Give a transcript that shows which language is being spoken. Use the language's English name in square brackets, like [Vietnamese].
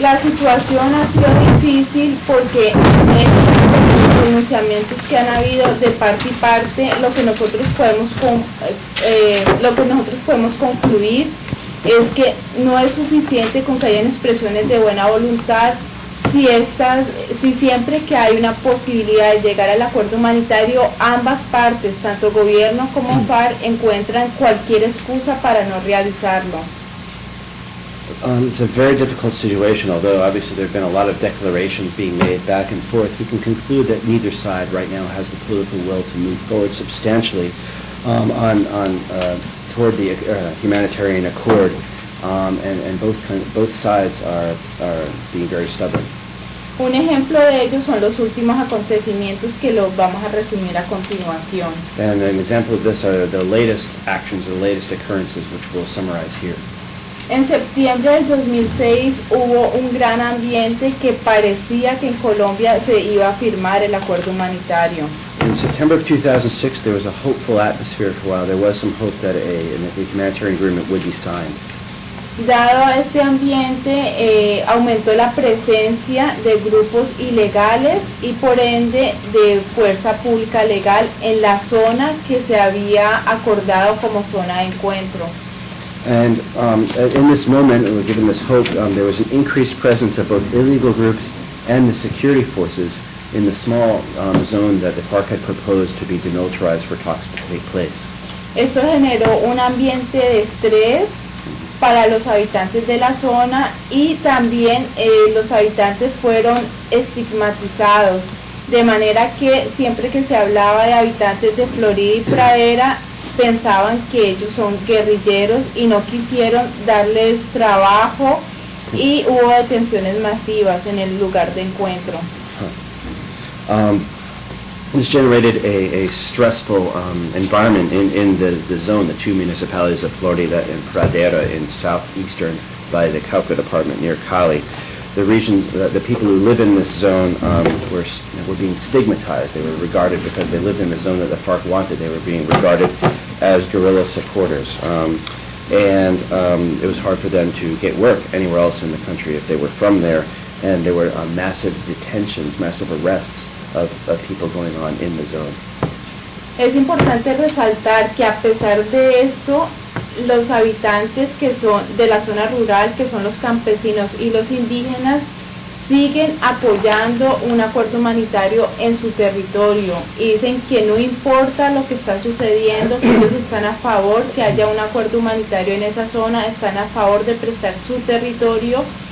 [Spanish] La situación ha sido difícil porque en los pronunciamientos que han habido de parte y parte, lo que nosotros podemos concluir es que no es suficiente con que hayan expresiones de buena voluntad si siempre que hay una posibilidad de llegar al acuerdo humanitario, ambas partes, tanto gobierno como FARC, encuentran cualquier excusa para no realizarlo. [English] It's a very difficult situation, although obviously there have been a lot of declarations being made back and forth. We can conclude that neither side right now has the political will to move forward substantially toward the humanitarian accord, and both sides are being very stubborn. [Spanish] Un ejemplo de ello son los últimos acontecimientos que los vamos a resumir a continuación. [English] And an example of this are the latest actions, the latest occurrences, which we'll summarize here. [Spanish] En septiembre del 2006 hubo un gran ambiente que parecía que en Colombia se iba a firmar el acuerdo humanitario. [English] In September of 2006, there was a hopeful atmosphere for a while. There was some hope that a humanitarian agreement would be signed. [Spanish] Dado este ambiente, aumentó la presencia de grupos ilegales y por ende de fuerza pública legal en la zona que se había acordado como zona de encuentro. [English] And in this moment, given this hope, there was an increased presence of both illegal groups and the security forces in the small zone that the FARC had proposed to be demilitarized for talks to take place. [Spanish] Esto generó un ambiente de estrés para los habitantes de la zona y también los habitantes fueron estigmatizados, de manera que siempre que se hablaba de habitantes de Florida y Pradera pensaban que ellos son guerrilleros y no quisieron darles trabajo y hubo detenciones masivas en el lugar de encuentro. [English] This generated a stressful environment in the zone, the two municipalities of Florida and Pradera in southeastern by the Cauca department near Cali. The regions, the people who live in this zone were being stigmatized. They were regarded because they lived in the zone that the FARC wanted. They were being regarded as guerrilla supporters. And it was hard for them to get work anywhere else in the country if they were from there. And there were massive detentions, massive arrests of people going on in the zone. [Spanish] Es importante resaltar que a pesar de esto, los habitantes que son de la zona rural, que son los campesinos y los indígenas, siguen apoyando un acuerdo humanitario en su territorio. Y dicen que no importa lo que está sucediendo, que ellos están a favor que haya un acuerdo humanitario en esa zona, están a favor de prestar su territorio.